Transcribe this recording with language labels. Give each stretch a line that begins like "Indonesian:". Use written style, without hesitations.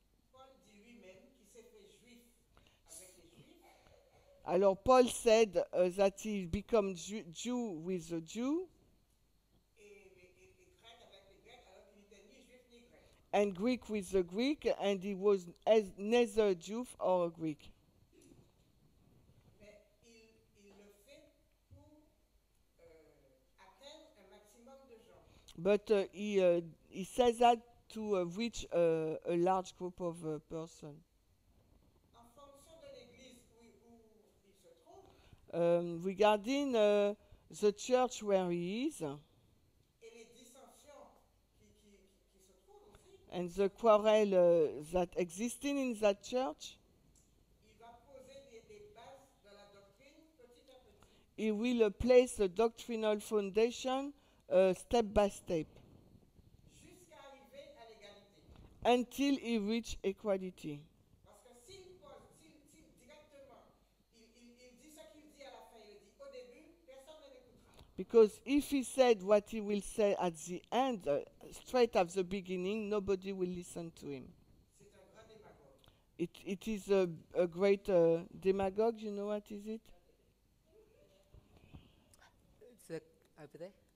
French: Paul dit lui-même qu'il s'est fait juif avec les juifs.
English: Alors Paul said that he became Jew with the Jew. And Greek with the Greek, and he was neither Jew or Greek. But he says that to reach a large group of persons.
French: En fonction de l'église où il se trouve.
English: Regarding the church where he is.
French: Et les dissensions qui se trouvent aussi.
English: And the quarrel that existing in that church.
French: Il va poser des bases de la doctrine petit à petit.
English: He will place a doctrinal foundation. Step by step,
French: jusqu'à arriver à l'égalité.
English: Until he reach equality.
French: Parce que s'il pose, s'il directement, il dit ce qu'il dit à la fin, il dit au début, personne ne l'écoutera.
English: Because if he said what he will say at the end, straight at the beginning, nobody will listen to him.
French: C'est un grand démagogue.
English: It is a great demagogue. You know what is it? It's over there.